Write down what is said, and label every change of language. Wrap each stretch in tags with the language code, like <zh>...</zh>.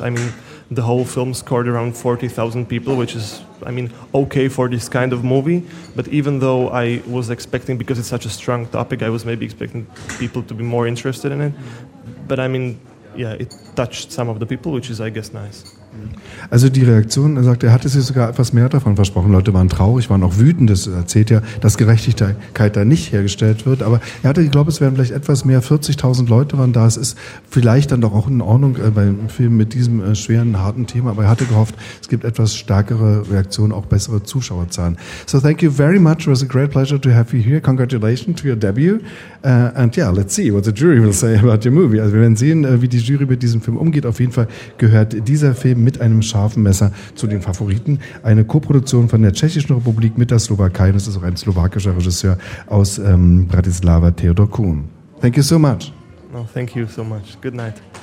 <en>I mean, the whole film scored around 40,000 people, which is, I mean, okay for this kind of movie. But even though I was expecting, because it's such a strong topic, I was maybe expecting people to be more interested in it. But I mean, yeah, it touched some of the people, which is, I guess, nice.</en> <de>Also die Reaktion, er sagt, er hatte sich sogar etwas mehr davon versprochen. Leute waren traurig, waren auch wütend. Das erzählt ja, dass Gerechtigkeit da nicht hergestellt wird. Aber er hatte, ich glaube, es wären vielleicht etwas mehr, 40.000 Leute waren da. Es ist vielleicht dann doch auch in Ordnung beim Film mit diesem schweren, harten Thema. Aber er hatte gehofft, es gibt etwas stärkere Reaktionen, auch bessere Zuschauerzahlen.</de> <en>So thank you very much. It was a great pleasure to have you here. Congratulations to your debut. And yeah, let's see what the jury will say about your movie.</en> <de>Also wir werden sehen, wie die Jury mit diesem Film umgeht. Auf jeden Fall gehört dieser Film mit einem scharfen Messer zu den Favoriten. Eine Koproduktion von der Tschechischen Republik mit der Slowakei. Das ist auch ein slowakischer Regisseur aus Bratislava, Theodor Kuhn.</de> <en>Thank you so much. No, thank you so much. Good night.</en>